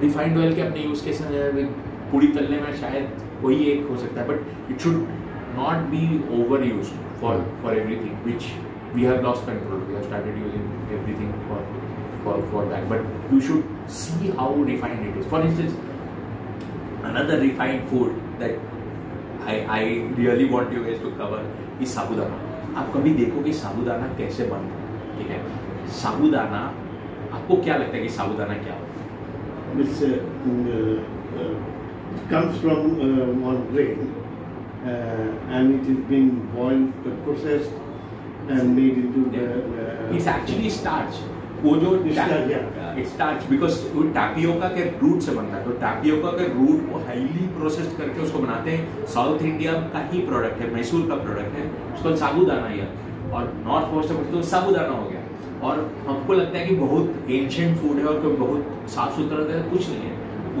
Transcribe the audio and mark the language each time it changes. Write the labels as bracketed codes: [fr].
[hi] Refined oil के अपने use के साथ पूरी तलने में शायद वही एक हो सकता है, [en] But it should not be overuse for everything, which we have lost control, we have started using everything for that, but you should see how refined it is. For instance another refined food that I really want you guys to cover is sabudana. [hi] आप कभी देखो कि साबूदाना कैसे बनता है, ठीक है? साबूदाना आपको क्या लगता है कि साबूदाना क्या होता है? [en] It's comes from on grain and it has been boiled, processed and made into the it's actually starch. [hi] वो जो स्टार्च, बिकॉज वो टैपियोका के रूट से बनता है, तो टैपियोका के रूट को हाईली प्रोसेस्ड करके उसको बनाते हैं। साउथ इंडिया का ही प्रोडक्ट है, मैसूर का प्रोडक्ट है, उसको साबूदाना या और नॉर्थ कोस्ट में तो साबूदाना हो गया, और हमको लगता है कि बहुत एंशियंट फूड है और कोई बहुत साफ सुथरा है, कुछ नहीं है।